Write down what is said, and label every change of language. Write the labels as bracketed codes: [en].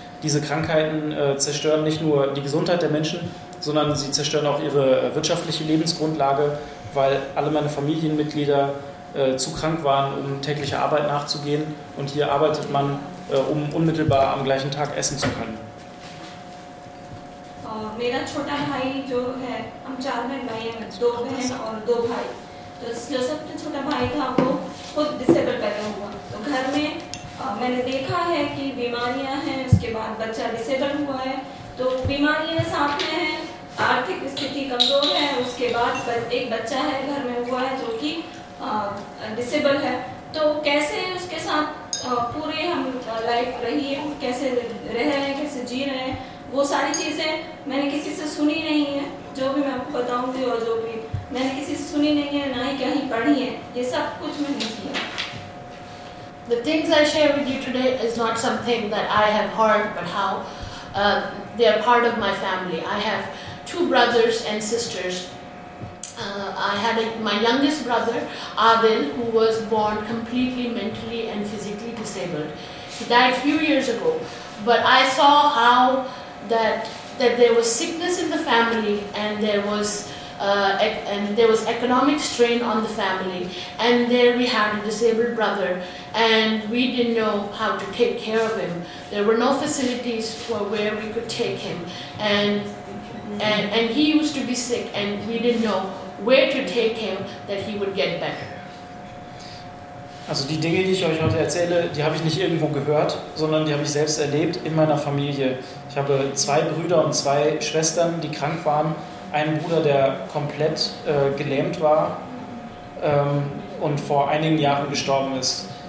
[de] Diese Krankheiten zerstören nicht nur die Gesundheit der Menschen, sondern sie zerstören auch ihre wirtschaftliche Lebensgrundlage, weil alle meine Familienmitglieder zu krank waren, um tägliche Arbeit nachzugehen. Und hier arbeitet man, um unmittelbar am gleichen Tag essen zu können. Mein kleiner [hi] आर्थिक स्थिति कमजोर है उसके बाद एक बच्चा है घर में हुआ है जो कि डिसेबल है तो कैसे उसके साथ पूरे हम लाइफ रही है कैसे रह रहे हैं कैसे जी रहे हैं वो सारी चीजें मैंने किसी से सुनी नहीं है जो भी मैं आपको बताऊंगी और जो भी मैंने किसी से सुनी नहीं है ना ही कहीं पढ़ी है ये सब कुछ मैंने किया. [en] The things I share with you today is not something that I have heard but how they are part of my family. I have two brothers and sisters. My youngest brother, Adil, who was born completely mentally and physically disabled. He died a few years ago. But I saw how that there was sickness in the family and there was economic strain on the family. And there we had a disabled brother and we didn't know how to take care of him. There were no facilities for where we could take him. And he used to be sick and we didn't know where to take him that he would get better. [de] Also die Dinge, die ich euch heute erzähle, die habe ich nicht irgendwo gehört, sondern die habe ich selbst erlebt in meiner Familie. Ich habe zwei Brüder und zwei Schwestern, die krank waren, einen Bruder, der komplett gelähmt war und vor einigen Jahren gestorben ist.